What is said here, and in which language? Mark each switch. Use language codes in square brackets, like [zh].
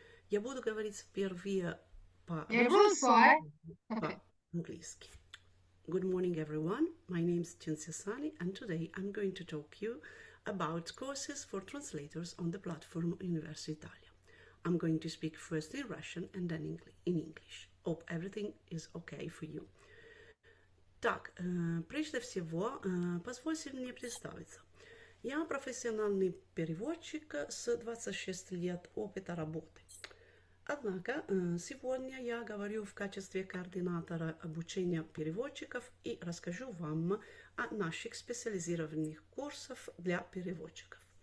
[ru] Я буду говорить впервые по-английски. [en] Good morning, everyone. My name is Cinzia Sani, and today I'm going to talk you about courses for translators on the platform Universo Italia. I'm going to speak first in Russian and then in English. Hope everything is okay for you. [ru] Так, прежде всего, позвольте мне представиться. Я профессиональный переводчик с 26 лет опыта работы. Однако, сегодня я говорю в качестве координатора обучения переводчиков и расскажу вам о наших специализированных курсах для переводчиков.